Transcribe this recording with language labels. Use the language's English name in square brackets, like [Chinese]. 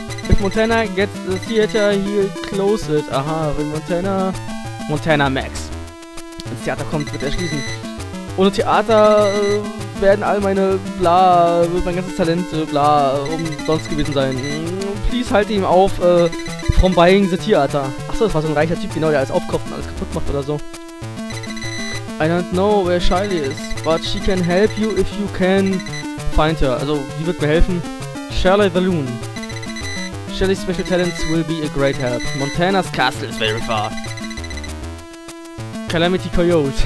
[English] If Montana gets the theater, he'll close it. [German] Aha, will Montana. Montana Max. Wenn das Theater kommt, wird er schließen. Ohne Theater werden all meine bla, mein ganzes Talent bla, umsonst gewesen sein. Please halte ihm auf, [English] from buying the Theater. [German] Achso, das war so ein reicher Typ, genau, der alles aufkauft und alles kaputt macht oder so. [English] I don't know where Shiley is, but she can help you if you can find her. [German] Also, die wird mir helfen. [English] Shirley the Loon. Shirley's special talents will be a great help. Montana's castle is very far. Calamity Coyote.